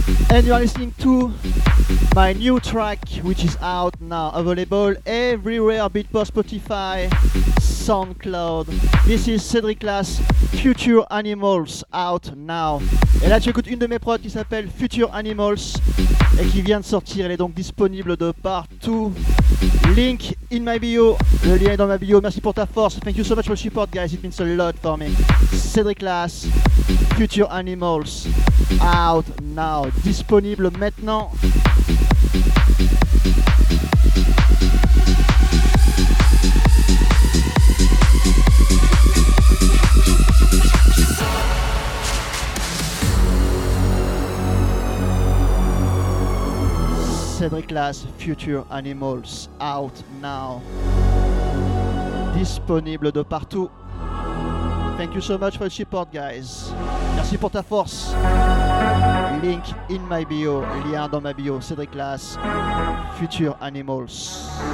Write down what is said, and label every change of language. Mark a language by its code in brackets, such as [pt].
[en] And you are listening to my new track, which is out now, available everywhere, Beatport, Spotify, SoundCloud. This is Cédric Lass, Future Animals, out now. [fr] Et là, tu écoutes une de mes prods qui s'appelle Future Animals et qui vient de sortir. Elle est donc disponible de partout. [en] Link in my bio. [fr] Le lien est dans ma bio. Merci pour ta force. [en] Thank you so much for the support, guys. It means a lot for me. Cédric Lass, Future Animals, out now. [fr] Disponible maintenant. [en] Cédric Lass, Future Animals, out now. [fr] Disponible de partout. [en] Thank you so much for the support, guys. [fr] Merci pour ta force. [en] Link in my bio, [fr] lien dans ma bio. [en] Cédric Lass, Future Animals.